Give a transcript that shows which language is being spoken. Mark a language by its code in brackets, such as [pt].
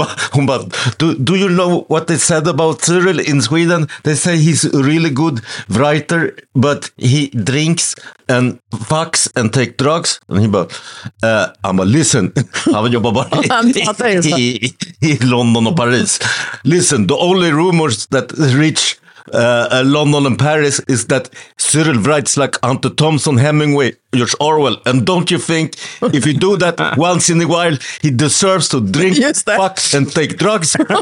[sv] Hon bara, [en] do you know what they said about Cyril in Sweden? They say he's a really good writer, but he drinks and fucks and take drugs. And he [sv] bara, [en] listen, [sv] han vill jobba bara i London och Paris. [en] Listen, the only rumors that reach London and Paris is that Cyril writes like Anton Thompson, Hemingway, George Orwell, and don't you think if you do that once in a while he deserves to drink, fuck and take drugs?